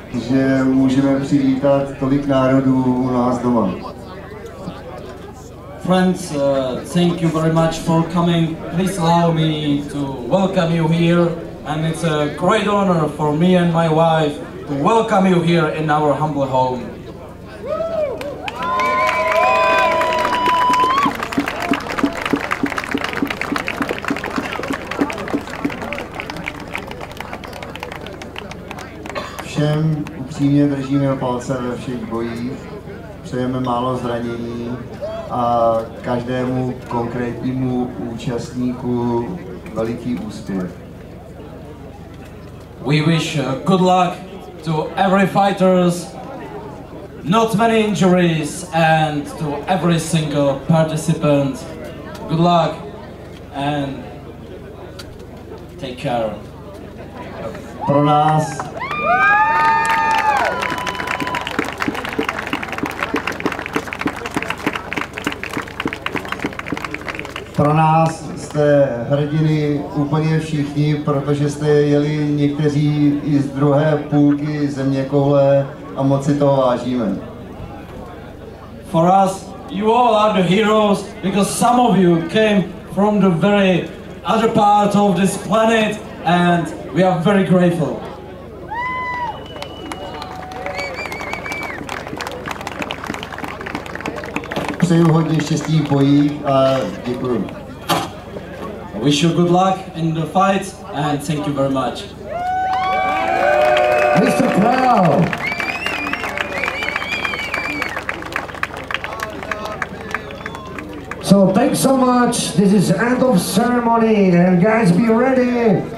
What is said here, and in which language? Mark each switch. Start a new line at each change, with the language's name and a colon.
Czech: Že můžeme přivítat tolik národů u nás doma.
English: Friends, thank you very much for coming. Please allow me to welcome you here, and it's a great honor for me and my wife to welcome you here in our humble home.
Czech: Všem upřímně držíme palce ve všech bojích, přejeme málo zranění a každému konkrétnímu účastníku veliký úspěch.
English: We wish good luck to every fighters, not many injuries, and to every single participant. Good luck and take care.
Czech: Pro nás. Pro nás jste hrdiny úplně všichni, protože jste jeli někteří i z druhé půlky zeměkoule a moc si toho vážíme.
English: For us, you all are the heroes, because some of you came from the very other part of this planet, and we are very grateful.
Czech: Přeju hodně štěstí v bojích a děkuju.
English: Wish you good luck in the fight and thank you very much. Mr. Crow! So thanks so much. This is end of ceremony and guys be ready.